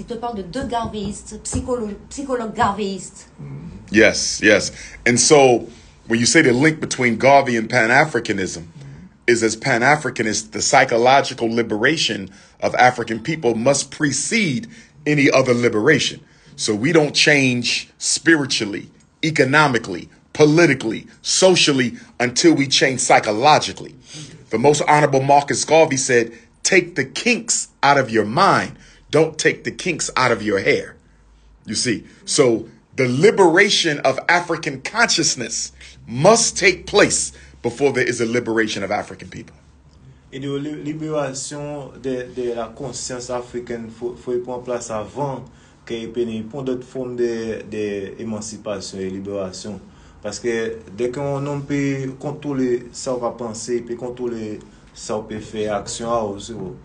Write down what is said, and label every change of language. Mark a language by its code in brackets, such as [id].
[fr] Il te parle de deux garveyistes, psychologues garveyistes. [en] Yes, yes. And so when you say the link between Garvey and Pan-Africanism is as Pan-Africanist, the psychological liberation of African people must precede any other liberation. So we don't change spiritually, economically, politically, socially, until we change psychologically. The most honorable Marcus Garvey said, take the kinks out of your mind. Don't take the kinks out of your hair. You see, so the liberation of African consciousness must take place before there is a liberation of African people. [fr] Et la libération de la conscience africaine faut prendre place avant qu'il pénètre pour d'autres formes de émancipation et libération. Parce que dès qu'on peut contrôler ça, on va penser, puis contrôler ça, on peut faire action à aussi.